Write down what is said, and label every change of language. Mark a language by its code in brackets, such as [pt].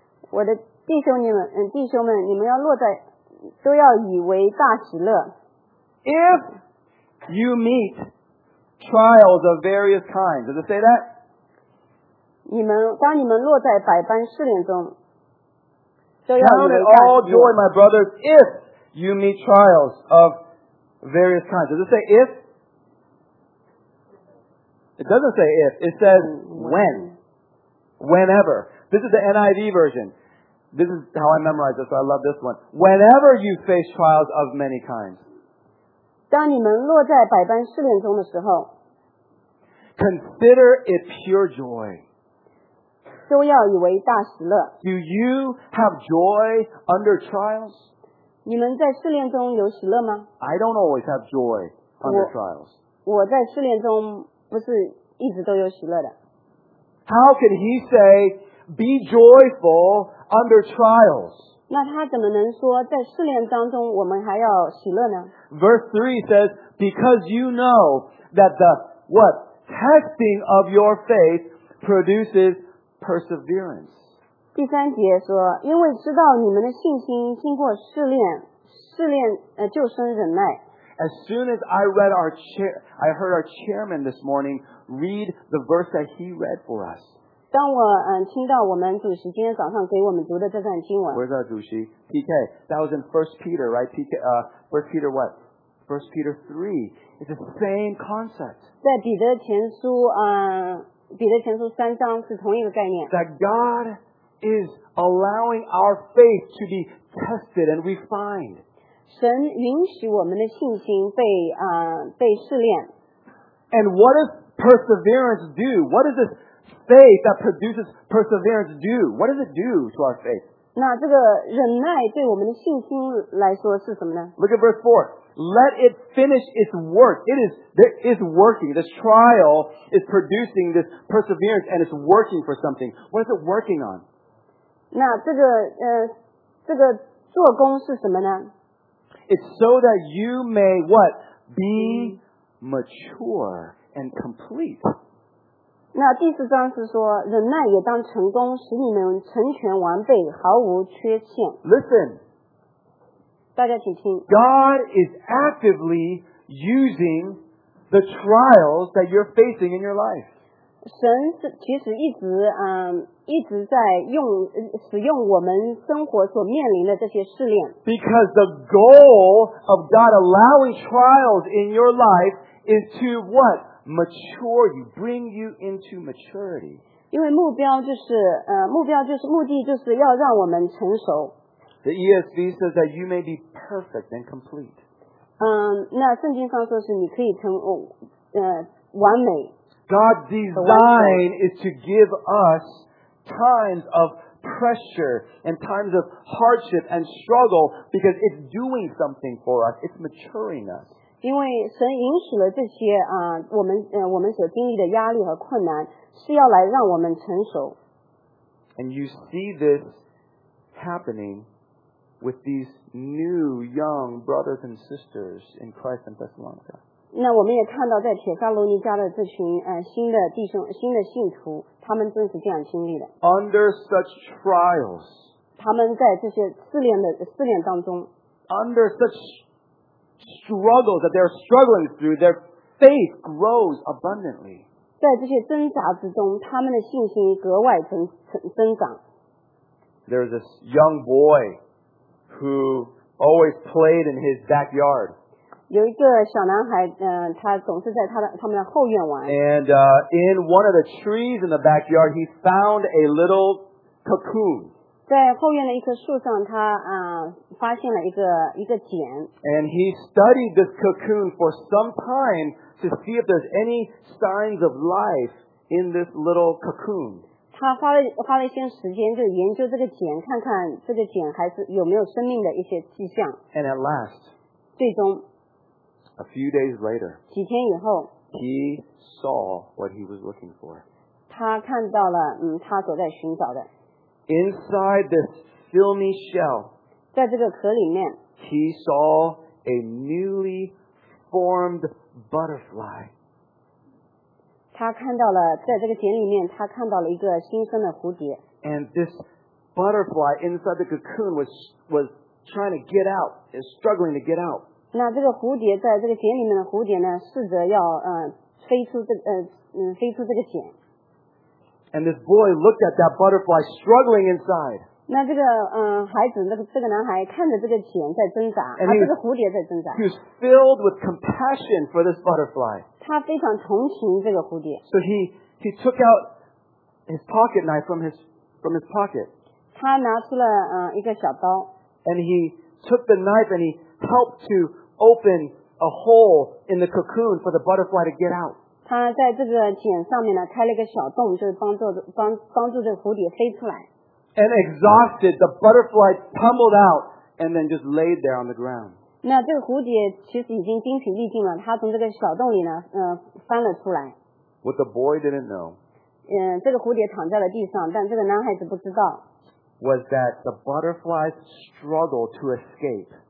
[zh] 我的弟兄们你们要落在都要以为大喜乐 [en] If you meet trials of various kinds Does it say that? [zh] 当你们落在百般试炼中 [en] Count it all joy, my brothers, if you meet trials of various kinds. Does it say if? It doesn't say if. It says when. Whenever. This is the NIV version. This is how I memorize it, so I love this one. Whenever you face trials of many kinds. [zh] 当你们落在百般试炼中的时候 [en] Consider it pure joy. [zh] 都要以为大喜乐。 [en] Do you have joy under trials? [zh] 你们在试炼中有喜乐吗？ [en] I don't always have joy under trials. [zh] 我在试炼中不是一直都有喜乐的。 [en] How can he say, be joyful under trials. [zh] 那他怎么能说在试炼当中我们还要喜乐呢？ [en] Verse 3 says, because you know that the, what, testing of your faith produces perseverance. [zh] 第三节说，因为知道你们的信心经过试炼，试炼就生忍耐。 [en] As soon as I read our chair, I heard our chairman this morning read the verse that he read for us. [zh] 当我听到我们主席今天早上给我们读的这段经文。 [en] Where's our 主席 PK? That was in 1 Peter, right? PK, 1 Peter what? 1 Peter 3. It's the same concept. [zh] 在彼得前书彼得前书三章是同一个概念。 [en] That God is allowing our faith to be tested and refined. [zh] 神允许我们的信心被被试炼。 [en] And what does perseverance do? What does this faith that produces perseverance do? What does it do to our faith? [zh] 那这个忍耐对我们的信心来说是什么呢？ [en] Look at verse 4. Let it finish its work. It is working. This trial is producing this perseverance and it's working for something. What is it working on? [zh] 那这个做工是什么呢？ [en] It's so that you may, what? Be mature and complete. [zh] 那第四章是说忍耐也当成功使你们成全完备毫无缺陷。 [en] Listen. [zh] 大家请听。 [en] God is actively using the trials that you're facing in your life. [zh] 神其实一直在用使用我们生活所面临的这些试炼。 [en] Because the goal of God allowing trials in your life is to what? Mature you, bring you into maturity. [zh] 因为目标就是目标就是目的就是要让我们成熟。 [en] The ESV says that you may be perfect and complete. [zh] 那圣经上说是你可以成完美。 [en] God's design is to give us times of pressure and times of hardship and struggle because it's doing something for us. It's maturing us. [zh] 因为神允许了这些我们所经历的压力和困难是要来让我们成熟。 [en] And you see this happening with these new young brothers and sisters in Christ and Thessalonica. [zh] 那我们也看到在帖撒罗尼迦的这群新的弟兄新的信徒他们正是这样经历的。 [en] Under such trials, [zh] 他们在这些试炼当中 [en] Under such struggles that they're struggling through, their faith grows abundantly. [zh] 在这些挣扎之中他们的信心格外增长。 [en] There's this young boy who always played in his backyard. [zh] 有一个小男孩他总是在他们的后院玩。 [en] And in one of the trees in the backyard, he found a little cocoon. [zh] 在后院的一棵树上他发现了一个茧。 [en] And he studied this cocoon for some time to see if there's any signs of life in this little cocoon. [zh] 他花了一些时间就研究这个茧看看这个茧还是有没有生命的一些迹象。 [en] And at last, [zh] 最终 [en] A few days later, [zh] 几天以后, [en] he saw what he was looking for. [zh] 他看到了他所在寻找的。 [en] Inside this filmy shell, [zh] 在这个壳里面, [en] he saw a newly formed butterfly. [zh] 他看到了在这个茧里面他看到了一个新生的蝴蝶。 [en] And this butterfly inside the cocoon was trying to get out, is struggling to get out. [zh] 那这个蝴蝶在这个茧里面的蝴蝶呢，试着要飞出这个茧。 [en] And this boy looked at that butterfly struggling inside. [zh] 那这个孩子，这个男孩看着这个茧在挣扎，啊，这个蝴蝶在挣扎。 [en] He was filled with compassion for this butterfly. [zh] 他非常同情这个蝴蝶。 [en] So he took out his pocket knife from his pocket. [zh] 他拿出了一个小刀。 [en] And he took the knife and he helped to open a hole in the cocoon for the butterfly to get out. [zh] 他在这个茧上面呢开了一个小洞，就是帮助这个蝴蝶飞出来。 [en] And exhausted, the butterfly tumbled out and then just laid there on the ground. [zh] 那这个蝴蝶其实已经精疲力尽了，它从这个小洞里呢翻了出来。 [en] What the boy didn't know. [zh] 这个蝴蝶躺在了地上，但这个男孩子不知道。 [en] Was that the butterflies struggle to escape?